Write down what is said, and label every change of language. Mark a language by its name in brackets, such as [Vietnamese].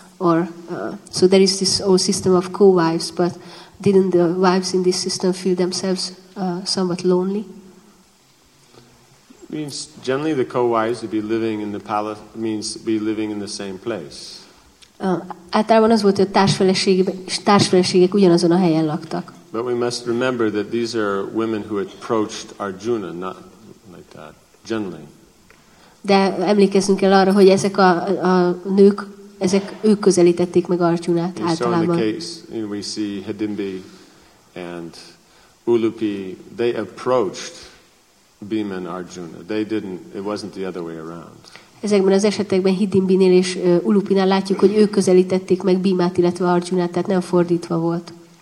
[English] So there is this old system of co-wives. But didn't the wives in this system feel themselves somewhat lonely? Means generally the co-wives would be living in the palace. Means be living in the same place. [Hungarian] Általában az volt, hogy a társfeleségek ugyanazon a helyen laktak. [English] But we must remember that these are women who approached Arjuna, not like that, generally. [Hungarian] De emlékezzünk el arra, hogy ezek a nők, ezek ők közelítették meg Arjunát általában. [English] So in the case, you know, we see Hedimbi and Ulupi, they approached Bhima and Arjuna. They didn't, it wasn't the other way around. [Hungarian] Ezekben az esetekben Hidimbinél és Ulupinál látjuk, hogy ők közelítették meg Bhimát, illetve Arjunát, tehát nem fordítva volt.